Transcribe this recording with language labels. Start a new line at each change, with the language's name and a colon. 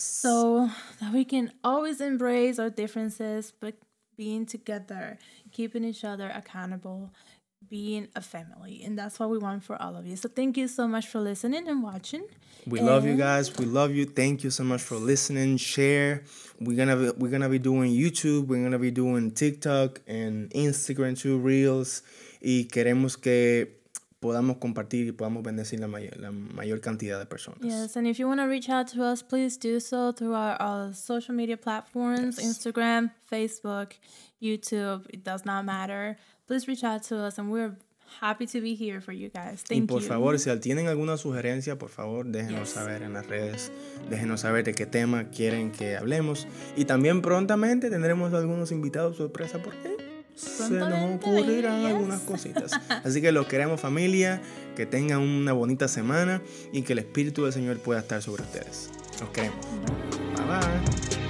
English: So that we can always embrace our differences, but being together, keeping each other accountable, being a family. And that's what we want for all of you. So thank you so much for listening and watching. We love you guys. We love you. Thank you so much for listening. Share. We're gonna be doing YouTube. We're gonna be doing TikTok and Instagram too, Reels.
Spanish: Y queremos que podamos compartir y podamos bendecir la mayor cantidad de personas.
English: Yes, and if you want to reach out to us, please do so through our social media platforms, yes. Instagram, Facebook, YouTube, it does not matter. Please reach out to us and we're happy to be here for you guys. Thank you.
Spanish: Y por favor, si tienen alguna sugerencia, por favor, déjenos saber en las redes. Déjenos saber de qué tema quieren que hablemos. Y también prontamente tendremos algunos invitados sorpresa por qué. Se nos ocurrirán algunas cositas. Así que los queremos, familia. Que tengan una bonita semana y que el Espíritu del Señor pueda estar sobre ustedes. Los queremos. Bye bye.